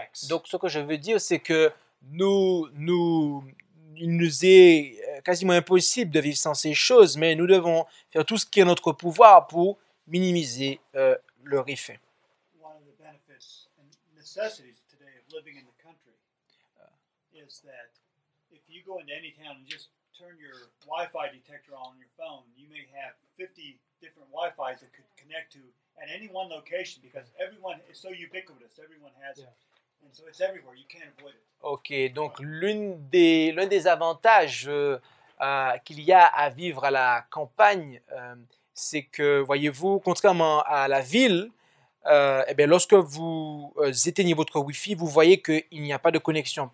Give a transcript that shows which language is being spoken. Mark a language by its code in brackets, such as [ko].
[fr] Donc, ce que je veux dire, c'est que il nous est quasiment impossible de vivre sans ces choses, mais nous devons faire tout ce qui est en notre pouvoir pour minimiser leur effet. [en] One of the benefits and necessities today of living in the country is that if you go into any town and just turn your Wi-Fi detector on your phone, you may have 50 different Wi-Fis that could connect to. At any one location, because everyone is so ubiquitous, everyone has it, and so it's everywhere. You can't avoid it. [fr] Okay, donc l'un des avantages qu'il y a à vivre à la campagne, c'est que voyez-vous, contrairement à la ville, lorsque vous éteignez votre Wi-Fi, vous voyez que il n'y a pas de connexion.